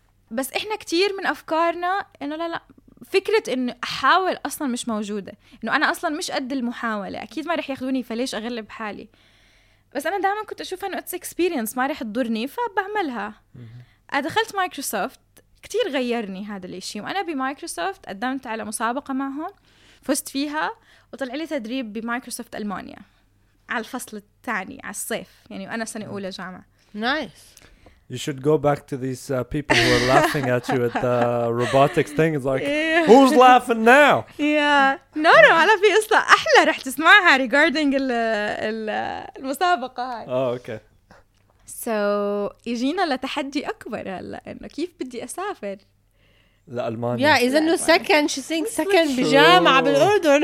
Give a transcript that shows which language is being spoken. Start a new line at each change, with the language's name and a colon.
Arabic: بس إحنا كتير من أفكارنا إنه لا لا، فكرة إنه أحاول أصلاً مش موجودة، إنه أنا أصلاً مش قد المحاولة، أكيد ما رح ياخدوني، فليش أغلب حالي؟ بس أنا دائماً كنت أشوفها إنه إكسبيرينس ما رح تضرني، فبعملها. أدخلت مايكروسوفت، كتير غيرني هذا الإشي، وأنا بمايكروسوفت قدمت على مسابقة معهم، فزت فيها، وطلع لي تدريب بمايكروسوفت ألمانيا على الفصل الثاني على الصيف، يعني أنا سنة أولى جامعة.
English: Nice. You should go back to these people who are laughing at you at the robotics thing. It's like, yeah. Who's laughing now? Yeah. No, no.
Arabic: على في قصة أحلى رح تسمعها
English: regarding
Arabic: المسابقة هاي.
English: Oh, okay. So
Arabic: يجينا لتحدي أكبر هلا، إنه كيف بدي أسافر لألمانيا؟
English: Yeah,
Arabic: إذا إنه
English: second she thinks second
Arabic: بجامعة بالأردن.